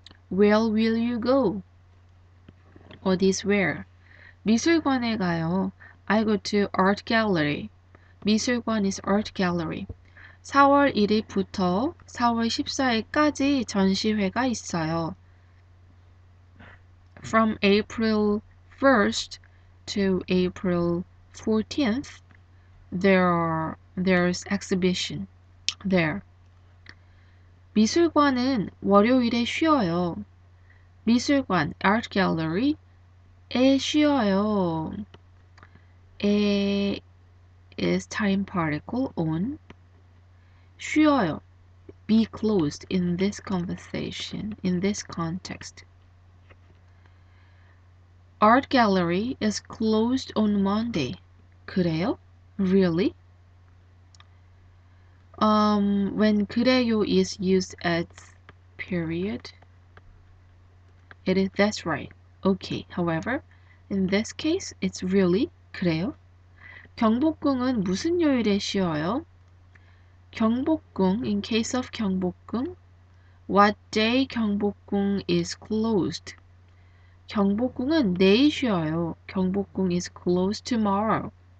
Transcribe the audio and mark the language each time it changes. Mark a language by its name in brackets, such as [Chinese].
[English] Where will you go? What is where? [Korean] 미술관에 가요. [English] I go to art gallery. 미술관 is art gallery. [Korean] 4월 1일부터 4월 14일까지 전시회가 있어요. [English] From April 1st, to April 14th, there's exhibition there. [Korean] 미술관은 월요일에 쉬어요. 미술관, [English] art gallery, [Korean] 에 쉬어요. [English] 에 is time particle on. [Korean] 쉬어요. [English] Be closed in this conversation, in this context. Art gallery is closed on Monday. [Korean] 그래요? [English] Really? When 그래요 is used as period, it is that's right. Okay. However, in this case, it's really 그래요. [Korean] 경복궁은 무슨 요일에 쉬어요? [English] 경복궁, in case of 경복궁, what day 경복궁 is closed? [Korean] 경복궁은 내일 쉬어요. [English] 경복궁 is closed tomorrow.